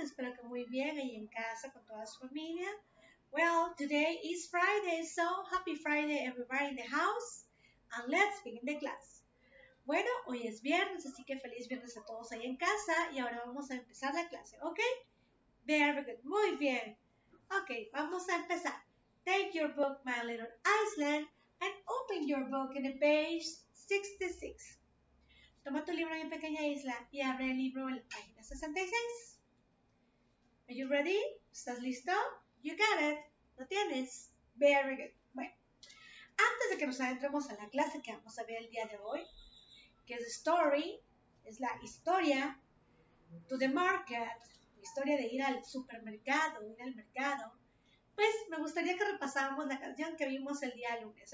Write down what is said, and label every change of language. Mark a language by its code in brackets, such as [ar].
[es] Espero que muy bien ahí en casa con toda su familia. [en] Well, today is Friday, so happy Friday everybody in the house. And let's begin the class. [es] Bueno, hoy es viernes, así que feliz viernes a todos ahí en casa. Y ahora vamos a empezar la clase, ¿ok? [en] Very good, [es] muy bien. Ok, vamos a empezar. [en] Take your book, My Little Iceland, and open your book in the page 66. [es] Toma tu libro, Mi Pequeña Isla, y abre el libro en la página 66. [en] Are you ready? [es] ¿Estás listo? [en] You got it. [es] ¿Lo tienes? [en] Very good. [es] Bueno, antes de que nos adentremos a la clase que vamos a ver el día de hoy, que es Story, es la historia, [en] to the market, [es] la historia de ir al supermercado, ir al mercado, pues me gustaría que repasáramos la canción que vimos el día lunes.